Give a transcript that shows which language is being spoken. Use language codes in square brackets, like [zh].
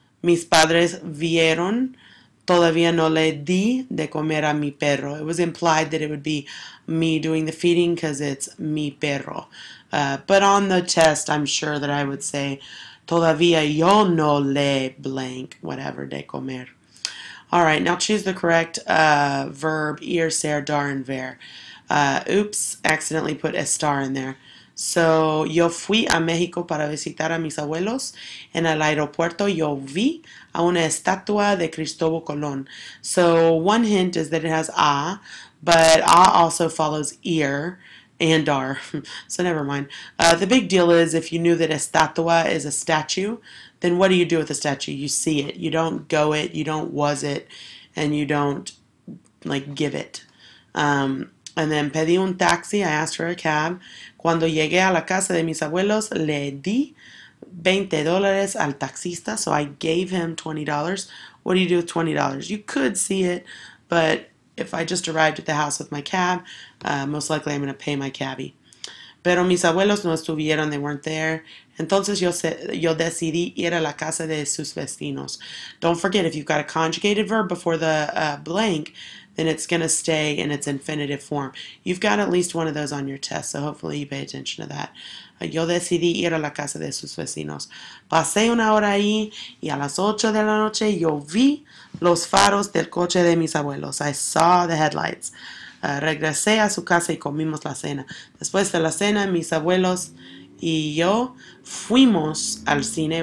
[es] Mis padres vieron, todavía no le di de comer a mi perro. [en] It was implied that it would be me doing the feeding because it's [es] mi perro. [en] But on the test, I'm sure that I would say, [es] todavía yo no le [en] blank, whatever, de comer. All right, now choose the correct verb, ir, ser, dar, and ver. Oops, accidentally put estar in there. [es] So, yo fui a México para visitar a mis abuelos. En el aeropuerto, yo vi a una estatua de Cristóbal Colón. [en] So, one hint is that it has a, but a also follows ir and dar. So, never mind. The big deal is if you knew that estatua is a statue, then what do you do with a statue? You see it. You don't go it, you don't was it, and you don't, like, give it. And then [es] pedí un taxi, [en] I asked for a cab. [es] Cuando llegué a la casa de mis abuelos, le di $20 al taxista. [en] So I gave him $20. What do you do with $20? You could see it, but if I just arrived at the house with my cab, most likely I'm going to pay my cabbie. [es] Pero mis abuelos no estuvieron, [en] they weren't there. [es] Entonces yo decidí ir a la casa de sus vecinos. [en] Don't forget, if you've got a conjugated verb before the blank, then it's going to stay in its infinitive form. You've got at least one of those on your test, so hopefully you pay attention to that. [es] Yo decidí ir a la casa de sus vecinos. Pasé una hora ahí y a las 8 de la noche yo vi los faros del coche de mis abuelos. [en] I saw the headlights. [es] Regresé a su casa y comimos la cena. Después de la cena, mis abuelos y yo fuimos al cine.